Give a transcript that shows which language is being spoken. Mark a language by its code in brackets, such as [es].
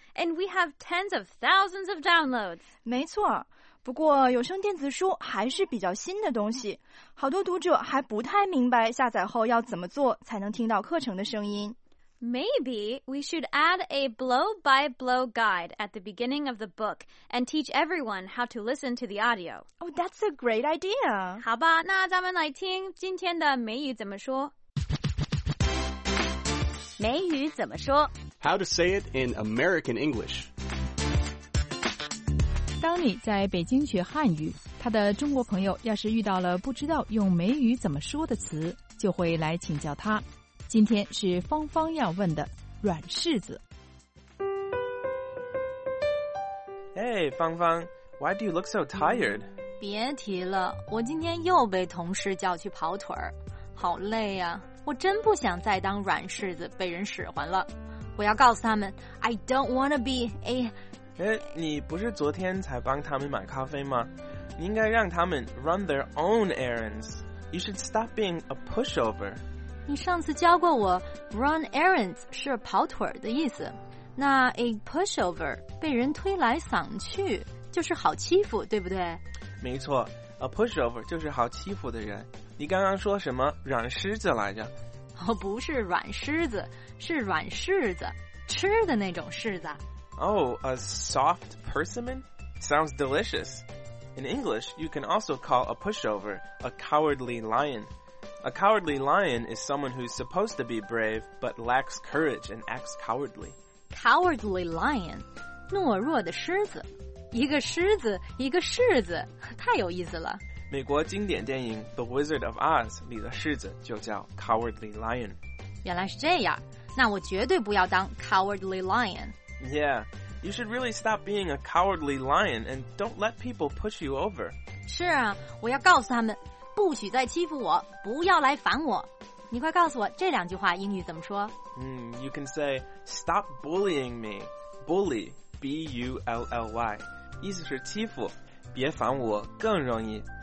[en] And we have tens of thousands of downloads! [zh] 没错，不过有声电子书还是比较新的东西，好多读者还不太明白下载后要怎么做才能听到课程的声音。 [en] Maybe we should add a blow-by-blow guide at the beginning of the book and teach everyone how to listen to the audio. Oh, that's a great idea. [zh] 好吧，那咱们来听今天的美语怎么说。美语怎么说？ [en] How to say it in American English. [zh] 当你在北京学汉语，他的中国朋友要是遇到了不知道用美语怎么说的词，就会来请教他。今天是芳芳要问的软柿子。 [en] Hey, 芳芳, why do you look so tired? [zh] 别提了，我今天又被同事叫去跑腿儿，好累啊，我真不想再当软柿子被人使唤了。我要告诉他们 [en] I don't wanna be a... [zh] 你不是昨天才帮他们买咖啡吗？你应该让他们 [en] run their own errands. You should stop being a pushover. [zh] 你上次教过我 run errands 是跑腿的意思，那 a pushover 被人推来搡去就是好欺负，对不对？没错， a pushover 就是好欺负的人。你刚刚说什么软狮子来着？哦，不是软狮子，是软柿子，吃的那种柿子。 [en] Oh, a soft persimmon? Sounds delicious. In English, you can also call a pushover a cowardly lion. A cowardly lion is someone who's supposed to be brave, but lacks courage and acts cowardly. [zh] Cowardly lion, 懦弱的狮子。一个狮子，一个柿子，太有意思了。美国经典电影《The Wizard of Oz》里的柿子就叫 Cowardly Lion。原来是这样，那我绝对不要当 Cowardly Lion。 [en] Yeah, you should really stop being a cowardly lion and don't let people push you over. [zh] 是啊，我要告诉他们，不许再欺负我，不要来烦我。你快告诉我这两句话英语怎么说？ [en] You can say, stop bullying me. Bully, B-U-L-L-Y. [zh] 意思是欺负，别烦我更容易。